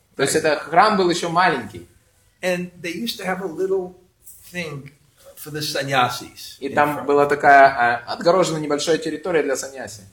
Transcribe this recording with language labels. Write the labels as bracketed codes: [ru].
[ru] То есть это храм был еще маленький. [en] And they used to have a little thing for the sannyasis. [ru] И там была такая отгорожена небольшая территория для саньяси.